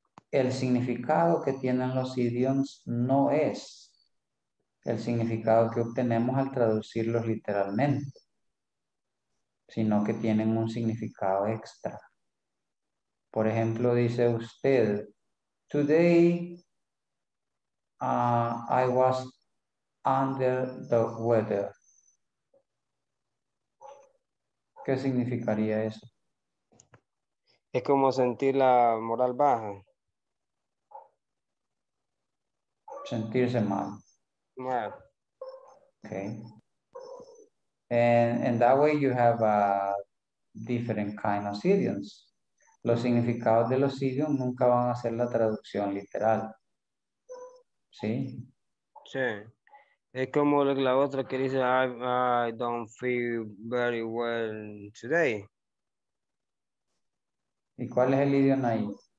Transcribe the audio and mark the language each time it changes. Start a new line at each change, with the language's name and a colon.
Spanish: El significado que tienen los idioms no es el significado que obtenemos al traducirlos literalmente, sino que tienen un significado extra. Por ejemplo, dice usted,
English: today I was under the weather.
Spanish: ¿Qué significaría eso? Es como sentir la moral baja. Sentirse mal. Mal. Okay.
English: And that way you have a different kind of idioms.
Spanish: Los significados de los idioms nunca van a ser la traducción literal. ¿Sí? Sí. Es como la otra que dice,
English: I don't feel very well today.
Spanish: ¿Y cuál es el idioma ahí?